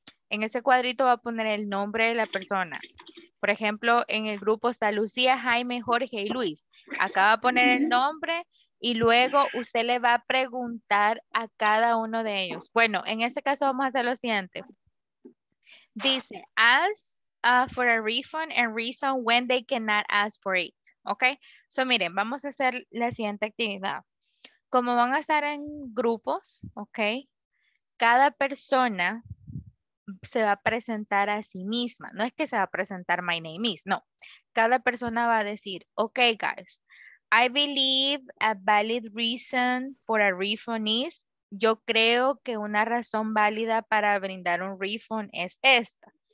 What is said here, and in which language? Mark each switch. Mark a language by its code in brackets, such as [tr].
[es] En ese cuadrito va a poner el nombre de la persona. Por ejemplo, en el grupo está Lucía, Jaime, Jorge y Luis. Acá va a poner el nombre y luego usted le va a preguntar a cada uno de ellos. Bueno, en este caso vamos a hacer lo siguiente. [en] Dice, ask for a refund and reason when they cannot ask for it. [es] Ok, so miren, vamos a hacer la siguiente actividad. Como van a estar en grupos, ok, cada persona se va a presentar a sí misma. No es que se va a presentar [en] my name is, [es] no. Cada persona va a decir, ok, guys, [en] I believe a valid reason for a refund is, [es] yo creo que una razón válida para brindar un refund es esta.